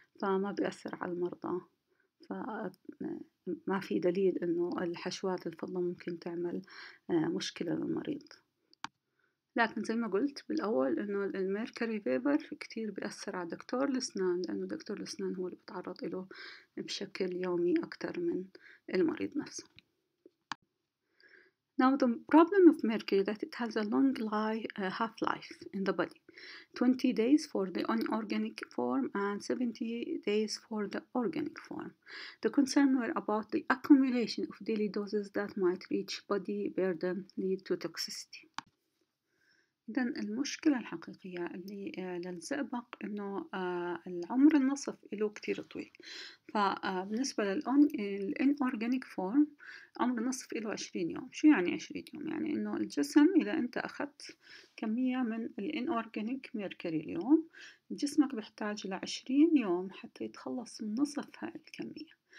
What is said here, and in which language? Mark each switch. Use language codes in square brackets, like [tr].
[ar] فما بيأثر على المرضى، ما في دليل إنه الحشوات الفضة ممكن تعمل مشكلة للمريض. لكن زي ما قلت بالأول إنه الميركوري فيبر كتير بيأثر على دكتور الأسنان، لأنه دكتور الأسنان هو اللي بتعرض له بشكل يومي أكتر من المريض نفسه. [en] Now the problem of mercury that it has a long half-life in the body, 20 days for the inorganic form and 70 days for the organic form. The concern were about the accumulation of daily doses that might reach body burden lead to toxicity. [ar] إذن المشكلة الحقيقية اللي للزئبق إنه العمر النصف له كتير طويل. فبالنسبة للإنأورجانيك فورم عمر النصف له 20 يوم. شو يعني 20 يوم؟ يعني إنه الجسم إذا أنت أخذت كمية من الإنأورجانيك ميركوري اليوم، جسمك بيحتاج لعشرين يوم حتى يتخلص من نصف هاي الكمية.